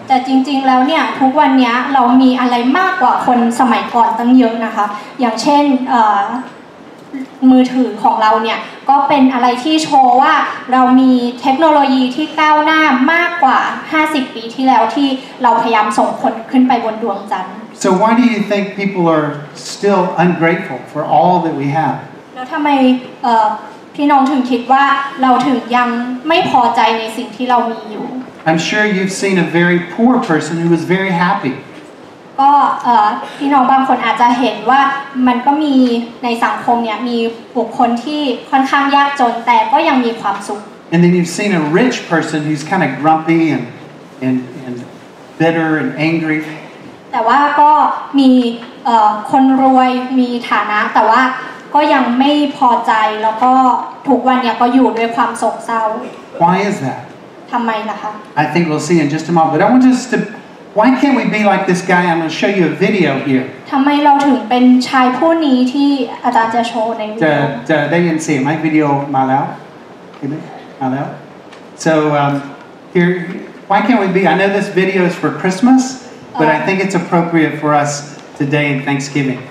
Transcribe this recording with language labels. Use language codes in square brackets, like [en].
[th] แต่จริงๆแล้วเนี่ยทุกวันนี้เรามีอะไรมากกว่าคนสมัยก่อนตั้งเยอะนะคะอย่างเช่นมือถือของเราเนี่ยก็เป็นอะไรที่โชว์ว่าเรามีเทคโนโลยีที่ก้าวหน้ามากกว่า50ปีที่แล้วที่เราพยายามส่งคนขึ้นไปบนดวงจันทร์ [en] So why do you think people are still ungrateful for all that we have? [th] แล้วทำไมพี่น้องถึงคิดว่าเราถึงยังไม่พอใจในสิ่งที่เรามีอยู่ [en] I'm sure you've seen a very poor person who was very happy. [th] ก็พี่น้องบางคนอาจจะเห็นว่ามันก็มีในสังคมเนี่ยมีบุคคลที่ค่อนข้างยากจนแต่ก็ยังมีความสุข [en] And then you've seen a rich person who's kind of grumpy and bitter and angry. [th] แต่ว่าก็มีคนรวยมีฐานะแต่ว่าก็ยังไม่พอใจแล้วก็ทุกวันเนี่ยก็อยู่ด้วยความโศกเศร้า [en] Why is that? I think we'll see in just a moment. But I want us to. Why can't we be like this guy? I'm going to show you a video here. [th] ทำไมเราถึงเป็นชายผู้นี้ที่อาจารย์จะโชว์ในวิดีโอ ได้ยินเสียงไหม วิดีโอมาแล้ว มาแล้ว [en] So here, why can't we be? I know this video is for Christmas, but I think it's appropriate for us today in Thanksgiving.